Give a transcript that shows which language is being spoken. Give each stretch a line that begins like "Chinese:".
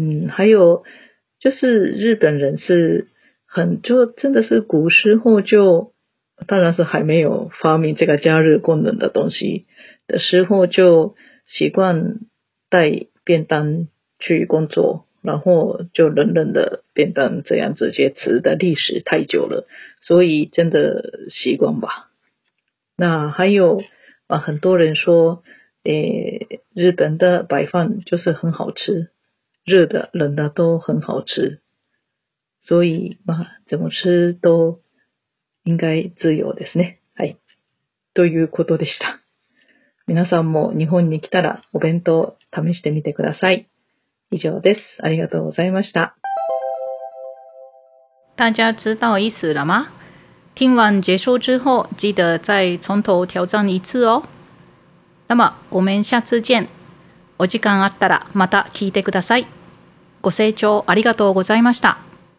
Chinese: 还有就是日本人是很就真的是古时候就当然是还没有发明这个加热功能的东西的时候就习惯带便当去工作，然后就冷冷的便当这样直接吃的历史太久了，所以真的习惯吧。那还有啊，很多人说日本的白饭就是很好吃，热的冷的都很好吃，所以嘛，怎么吃都应该自由ですね。
Japanese: はい、ということでした。皆さんも日本に来たらお弁当試してみてください。以上です。ありがとうございました。
Chinese: 大家知道意思了吗？听完结束之后记得再从头挑战一次哦。那么我们下次见。
Japanese: お時間あったらまた聞いてください。ご清聴ありがとうございました。